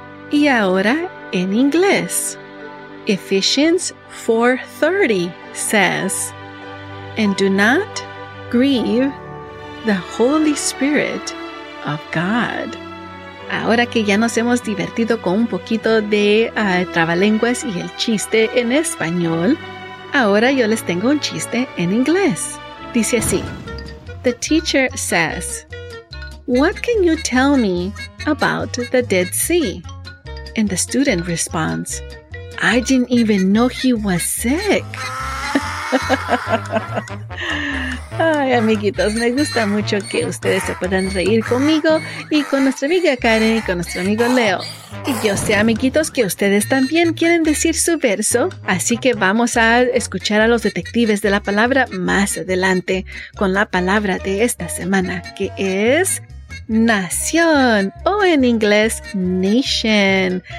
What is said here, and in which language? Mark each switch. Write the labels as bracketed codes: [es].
[es] Y ahora en inglés. [en] Ephesians 4:30 says, "And do not grieve the Holy Spirit of God." [es] Ahora que ya nos hemos divertido con un poquito de trabalenguas y el chiste en español, ahora yo les tengo un chiste en inglés. Dice así, [en] "The teacher says, 'What can you tell me about the Dead Sea?' And the student responds, 'I didn't even know he was sick.'" [es] Ay, amiguitos, me gusta mucho que ustedes se puedan reír conmigo y con nuestra amiga Karen y con nuestro amigo Leo. Y yo sé, amiguitos, que ustedes también quieren decir su verso, así que vamos a escuchar a los detectives de la palabra más adelante con la palabra de esta semana, que es nación, o en inglés nation.